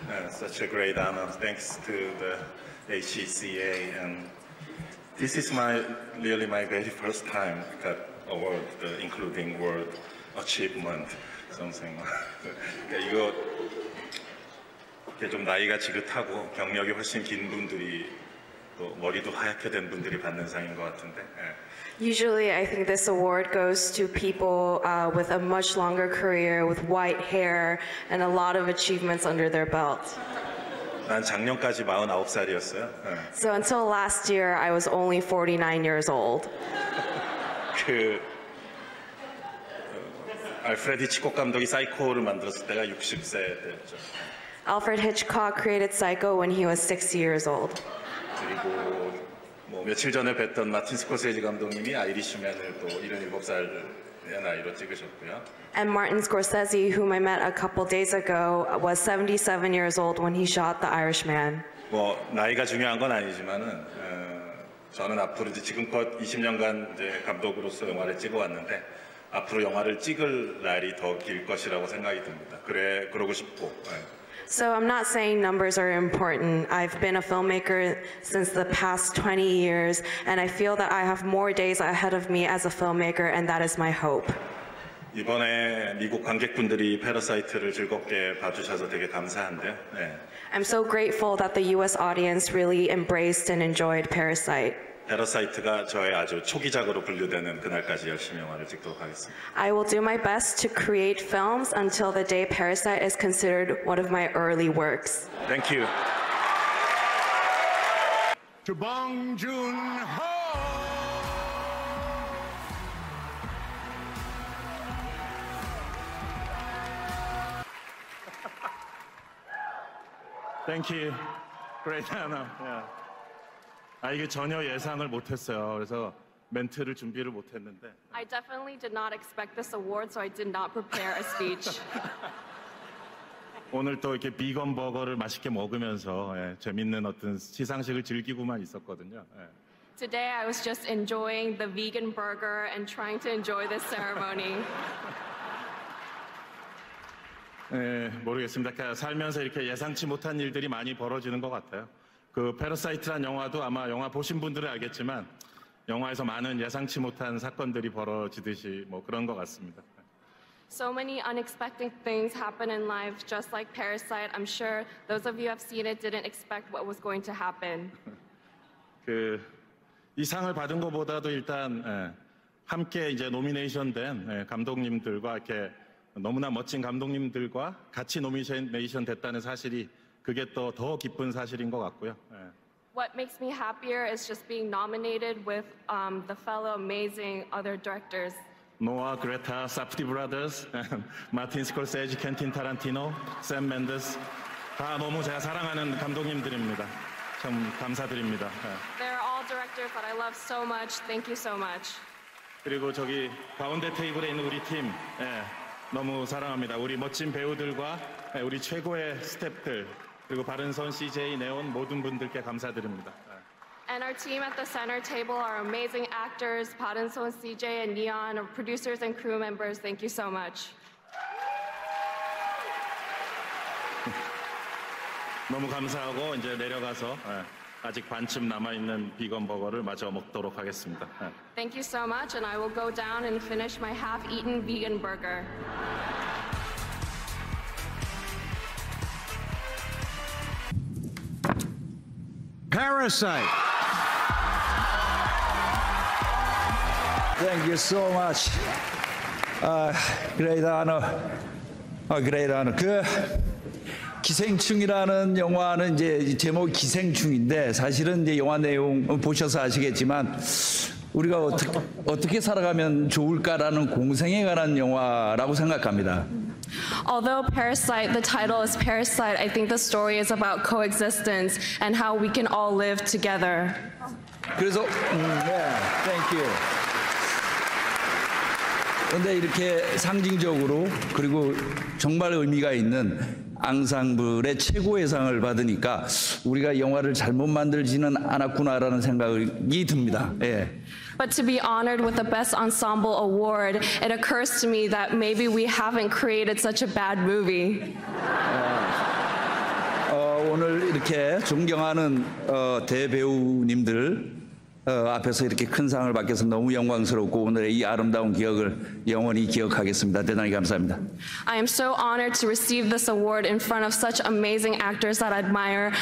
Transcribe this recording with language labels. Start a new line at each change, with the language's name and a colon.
English: such a great honor, thanks to the HECA, and this is my very first time that award, including World Achievement, something.
Korean: 이거 이게 좀 나이가 지긋하고 경력이 훨씬 긴 분들이 또 머리도 하얗게 된 분들이 받는 상인 것 같은데.
English: Usually, I think this award goes to people with a much longer career, with white hair, and a lot of achievements under their belt.
Korean: 난 작년까지 49살이었어요. 네.
English: So until last year, I was only 49 years old.
Korean: 그 알프레드 히치콕 감독이 사이코를 만들었을 때가 60세 됐죠.
English: Alfred Hitchcock created Psycho when he was 60 years old.
Korean: 그리고 뭐 며칠 전에 뵀던 마틴 스코세지 감독님이 아이리시맨을 또 77살의 나이로 찍으셨고요.
English: And Martin Scorsese, whom I met a couple days ago, was 77 years old when he shot The Irishman.
Korean: 뭐 나이가 중요한 건 아니지만은 저는 앞으로 이제 지금껏 20년간 이제 감독으로서 영화를 찍어왔는데 앞으로 영화를 찍을 날이 더 길 것이라고 생각이 듭니다. 그래 그러고 싶고. 예.
English: So I'm not saying numbers are important. I've been a filmmaker since the past 20 years, and I feel that I have more days ahead of me as a filmmaker, and that is my hope.
Korean: 이번에 미국 관객분들이 패러사이트를 즐겁게 봐주셔서 되게 감사한데요. 네.
English: I'm so grateful that the US audience really embraced and enjoyed Parasite.
Korean: 패러사이트가 저의 아주 초기작으로 분류되는 그날까지 열심히 영화를 찍도록 하겠습니다.
English: I will do my best to create films until the day Parasite is considered one of my early works. Thank you. To Bong Joon-ho. 땡큐. 그레이트 아너.
Korean: 아 이게 전혀 예상을 못 했어요. 그래서 멘트를 준비를 못 했는데.
English: I definitely did not expect this award, so I did not prepare a speech.
Korean: 오늘 또 이렇게 비건 버거를 맛있게 먹으면서 예, 재밌는 어떤 시상식을 즐기고만 있었거든요. 예.
English: Today I was just enjoying the vegan burger and trying to enjoy this ceremony.
Korean: 예, 모르겠습니다. 살면서 이렇게 예상치 못한 일들이 많이 벌어지는 것 같아요. 그 패러사이트란 영화도 아마 영화 보신 분들은 알겠지만 영화에서 많은 예상치 못한 사건들이 벌어지듯이 뭐 그런 것 같습니다.
English: So many unexpected things happen in life, just like Parasite. I'm sure those of you who have seen it didn't expect what was going to happen.
Korean: 그 이 상을 받은 것보다도 일단 예, 함께 이제 노미네이션된 예, 감독님들과 이렇게 너무나 멋진 감독님들과 같이 노미네이션 됐다는 사실이 그게 또 더 기쁜 사실인 것 같고요. 예.
English: What makes me happier is just being nominated with the fellow amazing other directors. Noah, Greta, Safdie Brothers, Martin Scorsese, Quentin Tarantino, Sam Mendes.
Korean: 다 너무 제가 사랑하는 감독님들입니다. 참 감사드립니다.
English: They're all directors that I love so much. Thank you so much.
Korean: 그리고 저기 가운데 테이블에 있는 우리 팀, 예, 너무 사랑합니다. 우리 멋진 배우들과 예, 우리 최고의 스태프들. 그리고 바른선 CJ 네온 모든 분들께 감사드립니다.
English: And our team at the center table are amazing actors, 바른선 CJ and Neon, our producers and crew members. Thank you so much.
Korean: 너무 감사하고 이제 내려가서 아직 반쯤 남아 있는 비건 버거를 마저 먹도록 하겠습니다.
English: Thank you so much, and I will go down and finish my half-eaten vegan burger. 'Parasite'. Thank you so much. Great honor. Great honor.
Korean: 그 기생충이라는 영화는 이제 제목 기생충인데 사실은 이제 영화 내용 보셔서 아시겠지만 우리가 어떻게 살아가면 좋을까라는 공생에 관한 영화라고 생각합니다.
English: Although Parasite, the title is Parasite, I think the story is about coexistence and how we can all live together.
Korean: 그래서,
English: yeah, thank you.
Korean: 그런데 이렇게 상징적으로 그리고 정말 의미가 있는 앙상블의 최고의 상을 받으니까 우리가 영화를 잘못 만들지는 않았구나라는 생각이 듭니다. 예.
English: But to be honored with the Best Ensemble Award, it occurs to me that maybe we haven't created such a bad movie.
Korean: 오늘 이렇게 존경하는 대배우님들 앞에서 이렇게 큰 상을 받게서 너무 영광스럽고 오늘의 이 아름다운 기억을 영원히 기억하겠습니다. 대단히 감사합니다.
English: I am so honored to receive this award in front of such amazing actors that I admire.